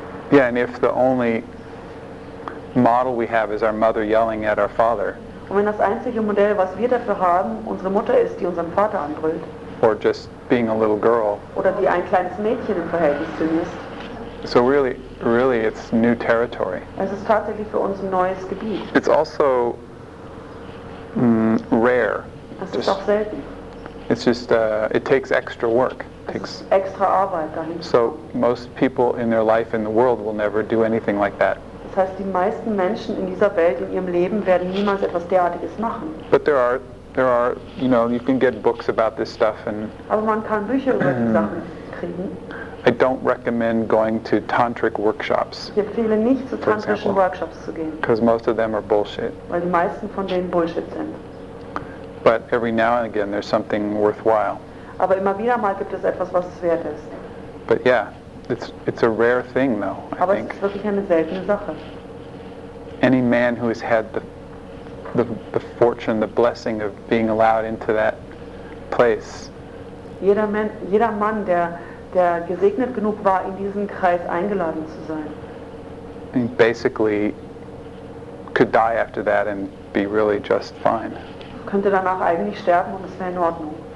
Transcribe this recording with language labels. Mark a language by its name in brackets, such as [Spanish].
[English] Yeah, and if the only model we have is our mother yelling at our father, [German] und wenn das einzige Modell, was wir dafür haben, unsere Mutter ist, die unseren Vater anbrüllt, [English] or just being a little girl, [German] oder wie ein kleines Mädchen im Verhältnis zu mir ist, [English] So really, really, it's new territory. [German] Es ist tatsächlich für uns ein neues Gebiet. [English] It's also rare. [German] Das ist auch selten. [English] It's just it takes extra work. Takes [German] extra Arbeit dahin. [English] So most people in their life in the world will never do anything like that. [German] Das heißt, die meisten Menschen in dieser Welt in ihrem Leben werden niemals etwas derartiges machen. [English] But there are, you know, you can get books about this stuff and. [German] Aber man kann Bücher über die Sachen kriegen. [English] I don't recommend going to tantric workshops. [German] Ich empfehle nicht zu tantrischen Workshops zu gehen. [English] Because most of them are bullshit. [German] Weil die meisten von denen Bullshit sind. [English] But every now and again, there's something worthwhile. [German] Aber immer wieder mal gibt es etwas, was es wert ist. [English] But yeah, it's a rare thing, though. [German] Aber [English] I think. [German] Aber es ist wirklich eine seltene Sache. [English] Any man who has had the fortune, the blessing of being allowed into that place. [German] Jeder Mann, der gesegnet genug war, in diesen Kreis eingeladen zu sein. [English] And basically, could die after that and be really just fine. [German] Könnte danach eigentlich sterben und es wäre in Ordnung.